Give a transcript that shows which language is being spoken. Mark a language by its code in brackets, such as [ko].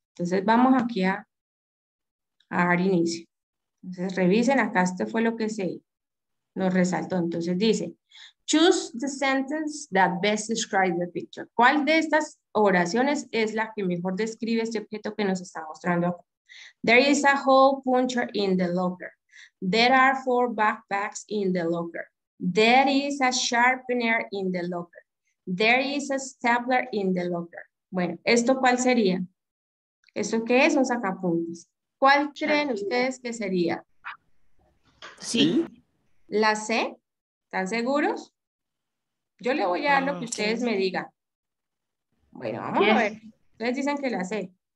[es] Entonces vamos aquí a dar inicio. Entonces revisen, acá este fue lo que se nos resaltó. Entonces dice, [en] choose the sentence that best describes the picture. [es] ¿Cuál de estas oraciones es la que mejor describe este objeto que nos está mostrando? [en] There is a hole puncher in the locker. There are four backpacks in the locker. There is a sharpener in the locker. There is a stapler in the locker. [es] Bueno, ¿esto cuál sería? ¿Esto qué es? Un sacapuntas. ¿Cuál creen ustedes que sería? Sí. ¿La C? ¿Están seguros? Yo le voy a dar lo que ustedes me digan. Bueno, vamos bien. A ver. Ustedes dicen que la sé.